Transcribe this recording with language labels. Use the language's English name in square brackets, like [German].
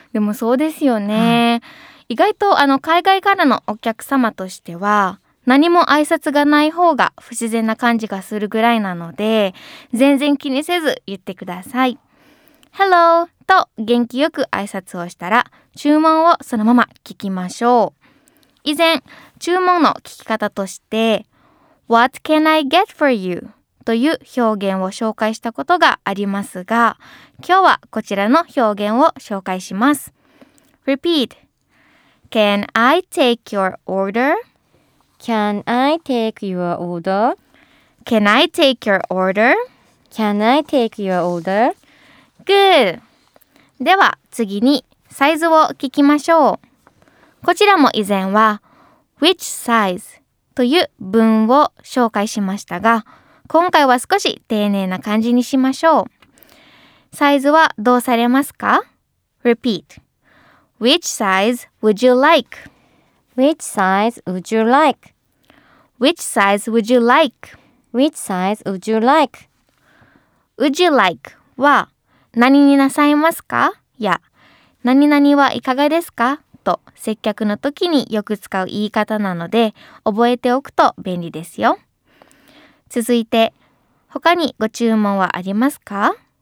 [Japanese] でもそうですよね、はい、意外とあの海外からのお客様としては何も挨拶がない方が不自然な感じがするぐらいなので、全然気にせず言ってください。ハローと元気よく挨拶をしたら注文をそのまま聞きましょう。以前注文の聞き方として [English] What can I get for you? [Japanese] という表現を紹介したことがありますが、今日はこちらの表現を紹介します。 [English] Repeat. Can I take your order? Can I take your order? Can I take your order? Can I take your order? Good. [Japanese] では次にサイズを聞きましょう。こちらも以前は [English] Which size? [Japanese] という文を紹介しましたが、今回は少し丁寧な感じにしましょう。サイズはどうされますか? [English] Repeat. Which size would you like? Which size would you like? Which size would you like? Which size would you like? Would you like [Japanese] は何になさいますか? や何々はいかがですか?と接客の時によく使う言い方なので覚えておくと便利ですよ。続いて、他にご注文はありますか?